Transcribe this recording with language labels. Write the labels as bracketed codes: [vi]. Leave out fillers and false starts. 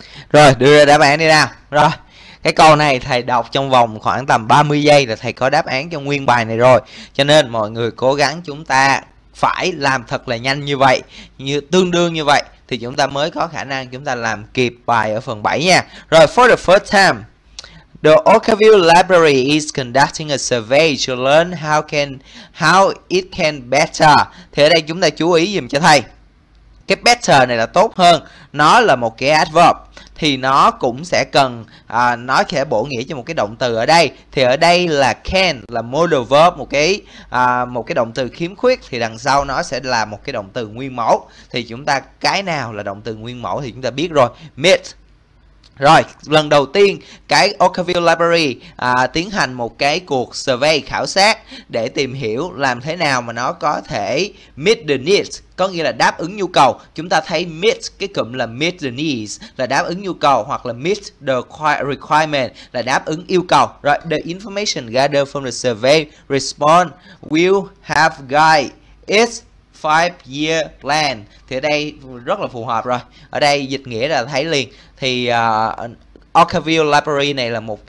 [vi] Rồi, đưa ra đáp án đi nào. Rồi, cái câu này thầy đọc trong vòng khoảng tầm 30 giây là thầy có đáp án cho nguyên bài này rồi. Cho nên mọi người cố gắng, chúng ta phải làm thật là nhanh như vậy, như tương đương như vậy thì chúng ta mới có khả năng chúng ta làm kịp bài ở phần 7 nha. [en] Rồi, for the first time, the Oakville Library is conducting a survey to learn how it can better. [vi] Thì ở đây chúng ta chú ý giùm cho thầy. Cái better này là tốt hơn, nó là một cái adverb thì nó cũng sẽ cần nó sẽ bổ nghĩa cho một cái động từ ở đây. Thì ở đây là can là modal verb, một cái động từ khiếm khuyết, thì đằng sau nó sẽ là một cái động từ nguyên mẫu. Thì chúng ta cái nào là động từ nguyên mẫu thì chúng ta biết rồi, meet. Rồi, lần đầu tiên cái Oakville Library tiến hành một cái cuộc survey khảo sát để tìm hiểu làm thế nào mà nó có thể [en] meet the needs, [vi] có nghĩa là đáp ứng nhu cầu. Chúng ta thấy meet, cái cụm là [en] meet the needs [vi] là đáp ứng nhu cầu, hoặc là [en] meet the requirement [vi] là đáp ứng yêu cầu. [en] Rồi, the information gathered from the survey response will have guide its 5-year plan. [vi] Thì ở đây rất là phù hợp rồi, ở đây dịch nghĩa là thấy liền. Thì Oakville Library này là